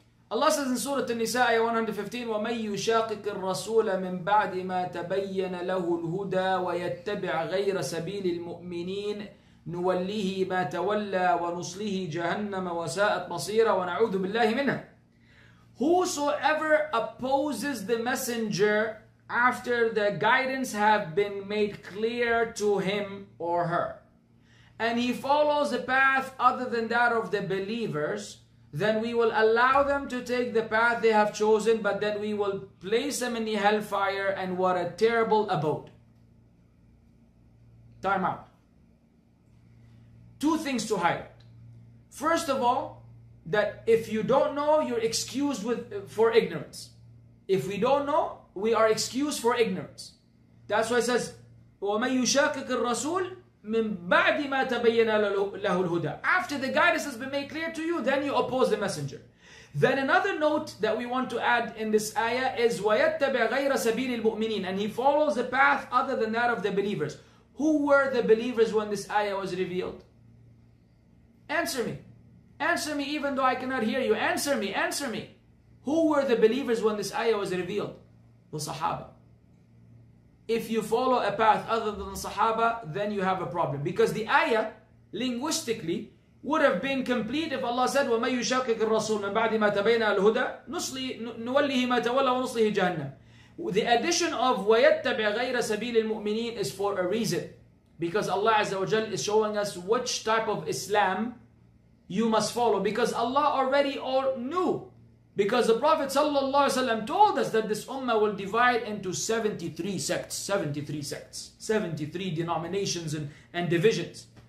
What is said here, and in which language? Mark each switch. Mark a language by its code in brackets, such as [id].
[en] Allah says in Surah An-Nisa, ayah 115, [ar] وَمَنْ يُشَاقِقِ الرَّسُولَ مِنْ بَعْدِ مَا تَبَيَّنَ لَهُ الْهُدَى وَيَتَّبِعْ غَيْرَ سَبِيلِ الْمُؤْمِنِينَ نُوَلِّهِ مَا تَوَلَّى وَنُصْلِهِ جَهَنَّمَ وَسَاءَتْ مَصِيرًا وَنَعُوذُ بِاللَّهِ مِنْهَا. [en] Whosoever opposes the messenger after the guidance have been made clear to him or her, and he follows a path other than that of the believers, then we will allow them to take the path they have chosen, but then we will place them in the hellfire, and what a terrible abode. Time out. Two things to highlight. First of all, that if you don't know, you're excused for ignorance. If we don't know, we are excused for ignorance. That's why it says, [ar] وَمَنْ يُشَاكِكِ الرَّسُولِ مِنْ بَعْدِ مَا تَبَيَّنَ لَهُ الْهُدَى. [en] After the guidance has been made clear to you, then you oppose the messenger. Then another note that we want to add in this ayah is, [ar] وَيَتَّبِعْ غَيْرَ سَبِيلِ الْمُؤْمِنِينَ. [en] And he follows the path other than that of the believers. Who were the believers when this ayah was revealed? Answer me. Answer me, even though I cannot hear you. Answer me, answer me. Who were the believers when this ayah was revealed? The Sahaba. If you follow a path other than the Sahaba, then you have a problem. Because the ayah, linguistically, would have been complete if Allah said, [ar] وَمَنْ يُشَاقِقِ الرَّسُولِ مِنْ بَعْدِ مَا تَبَيْنَا الْهُدَى نُوَلِّهِ مَا تَوَلَّى وَنُصْلِهِ جَهَنَّمَ. [en] The addition of [ar] وَيَتَّبِعْ غَيْرَ سَبِيلِ الْمُؤْمِنِينَ [en] is for a reason. Because Allah Azza wa Jal is showing us which type of Islam you must follow. Because Allah already all knew. Because the Prophet ﷺ told us that this ummah will divide into 73 sects, 73 denominations and divisions.